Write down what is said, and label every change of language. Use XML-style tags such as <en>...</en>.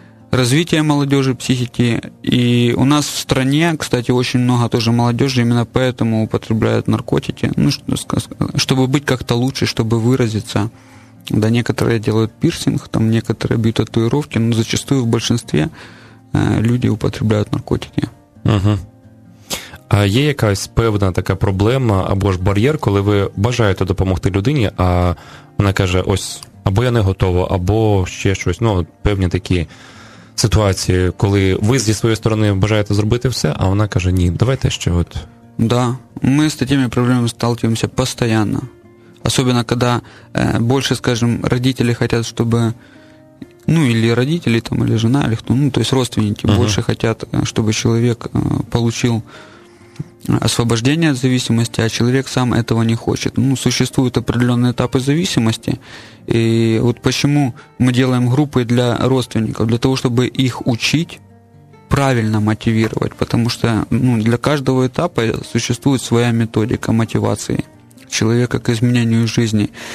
<ru>развития молодежи, психики. И у нас в стране, кстати, очень много тоже молодежи именно поэтому употребляют наркотики, ну, чтобы быть как-то лучше, чтобы выразиться. Да, некоторые делают пирсинг, там некоторые бьют татуировки, но зачастую в большинстве люди употребляют наркотики. Угу.</ru> <uk>А є якась певна така проблема або ж бар'єр, коли ви бажаєте допомогти людині, а вона каже, ось, або я не готова, або ще щось, ну, певні такі ситуації, коли ви зі своєї сторони бажаєте зробити все, а вона каже, ні, давайте ще от. Да, ми з такими проблемами сталкуємося постійно.</uk> <ru>Особенно, когда больше, скажем, родители хотят, чтобы, ну, или родители, там, или жена, или кто, ну, то есть родственники uh-huh. больше хотят, чтобы человек получил освобождение от зависимости, а человек сам этого не хочет. Ну, существуют определенные этапы зависимости, и вот почему мы делаем группы для родственников, для того, чтобы их учить, правильно мотивировать, потому что ну, для каждого этапа существует своя методика мотивации человека к изменению жизни.</ru>